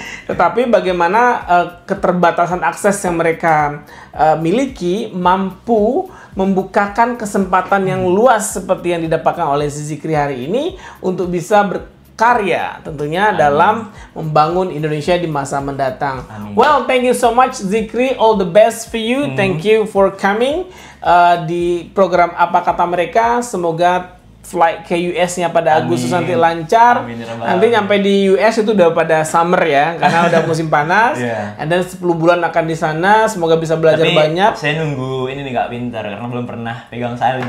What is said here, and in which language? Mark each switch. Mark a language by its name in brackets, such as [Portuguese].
[Indonesian] Tetapi bagaimana keterbatasan akses yang mereka miliki mampu membukakan kesempatan yang luas seperti yang didapatkan oleh si Zikri hari ini untuk bisa berkarya tentunya dalam membangun Indonesia di masa mendatang. Amin. [English] Well, thank you so much Zikri, all the best for you. Thank you for coming [Indonesian] di program [English] Apa Kata Mereka. [Indonesian] Semoga flight ke US-nya pada Agustus nanti lancar. Amin. Nanti nyampe di US itu udah pada summer ya, karena udah musim panas. [English] Yeah. And then [Indonesian] 10 bulan akan di sana, semoga bisa belajar tapi banyak. Saya nunggu ini nih, gak winter karena belum pernah pegang salju.